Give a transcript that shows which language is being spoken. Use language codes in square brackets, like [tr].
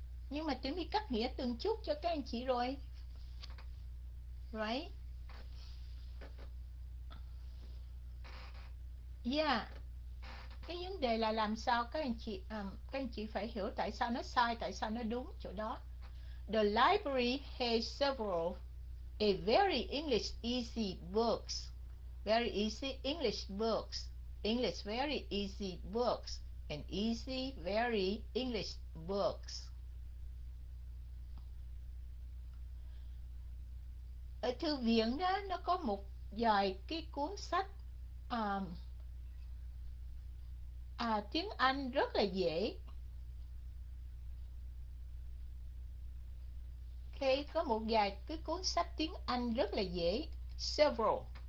[vi] Nhưng mà Tiểu My cắt nghĩa từng chút cho các anh chị rồi. Right? Yeah. Cái vấn đề là làm sao các anh chị phải hiểu tại sao nó sai, tại sao nó đúng chỗ đó. [en] The library has several a very English easy books. Very easy English books. English very easy books and easy very English books. [vi] Ở thư viện đó nó có một vài cái cuốn sách tiếng Anh rất là dễ. Okay, có một vài cái cuốn sách tiếng Anh rất là dễ. Several.